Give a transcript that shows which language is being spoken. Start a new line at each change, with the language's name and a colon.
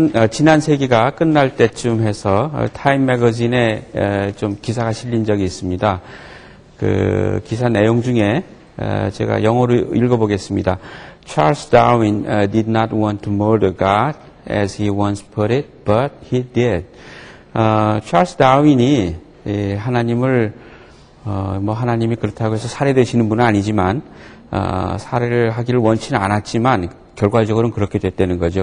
Korean: 지난 세기가 끝날 때쯤 해서 타임 매거진에 좀 기사가 실린 적이 있습니다. 그 기사 내용 중에 제가 영어로 읽어보겠습니다.
English: Charles Darwin did not want to murder God as he once put it, but he did.
Korean: Charles Darwin이 하나님을 하나님이 그렇다고 해서 살해되시는 분은 아니지만 살해를 하기를 원치는 않았지만 결과적으로는 그렇게 됐다는 거죠.